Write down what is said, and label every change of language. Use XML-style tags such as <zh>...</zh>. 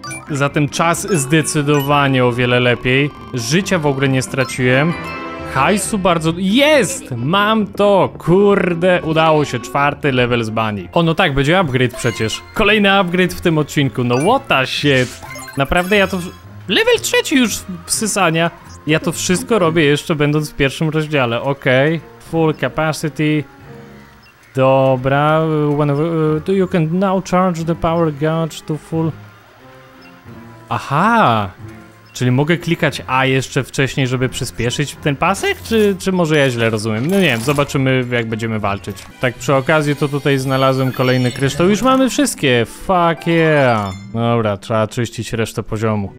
<pl>Zatem czas zdecydowanie o wiele lepiej. Życia w ogóle nie straciłem. hajsu bardzo... Jest! Mam to! Kurde, udało się, czwarty level z bani. O, no tak, będzie upgrade przecież. Kolejny upgrade w tym odcinku,</pl> <en>no what the shit.</en> <pl>Naprawdę ja to... Level trzeci już wsysania. Ja to wszystko robię jeszcze będąc w pierwszym rozdziale, okej.</pl> <en>Okay. Full capacity.</en> <pl>Dobra,</pl> <en>do you can now charge the power gauge to full... Aha!</en> <pl>Czyli mogę klikać A jeszcze wcześniej, żeby przyspieszyć ten pasek? Czy może ja źle rozumiem? No nie wiem, zobaczymy jak będziemy walczyć. Tak przy okazji to tutaj znalazłem kolejny kryształ. Już mamy wszystkie!</pl> <en>Fuck yeah!</en> <pl>Dobra, trzeba czyścić resztę poziomu.</pl>